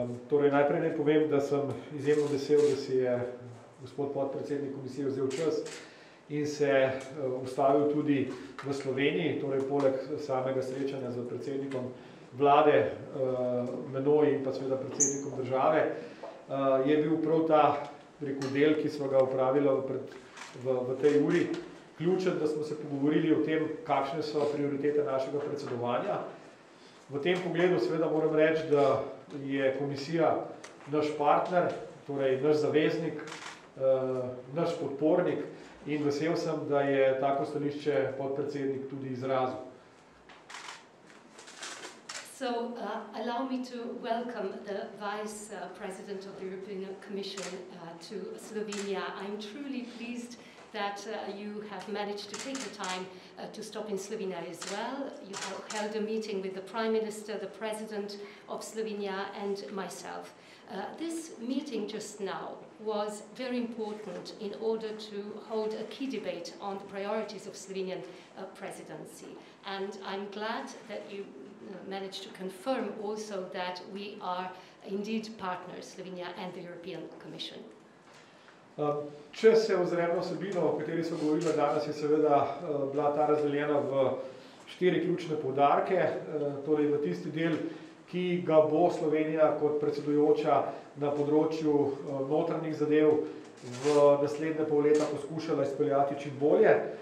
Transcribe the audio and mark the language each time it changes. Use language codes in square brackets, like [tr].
[sl] Torej najprej naj povem, da sem izjemno vesel, da si je gospod podpredsednik komisije vzel čas in se ustavil tudi v Sloveniji, torej poleg samega srečanja z predsednikom vlade, menoj in pa seveda predsednikom države, je bil prav ta del, ki smo ga opravili v tej uri, ključen, da smo se pogovorili o tem, kakšne so prioritete našega predsedovanja. V tem pogledu seveda moram reči, da je komisija naš partner, torej naš zaveznik, naš podpornik in vesel sem, da je tako stališče podpredsednik tudi izrazil. [en] So allow me to welcome the Vice President of the European Commission to Slovenia. I'm truly pleased that you have managed to take the time to stop in Slovenia as well. You have held a meeting with the Prime Minister, the President of Slovenia and myself. This meeting just now was very important in order to hold a key debate on the priorities of Slovenian presidency. And I'm glad that you managed to confirm also that we are indeed partners, Slovenia and the European Commission. [sl] Če se ozremo vsebino, o kateri smo govorili danes, je seveda bila ta razdeljena v štiri ključne poudarke, torej v tisti del, ki ga bo Slovenija kot predsedujoča na področju notranjih zadev v naslednje pol leta poskušala izpeljati čim bolje.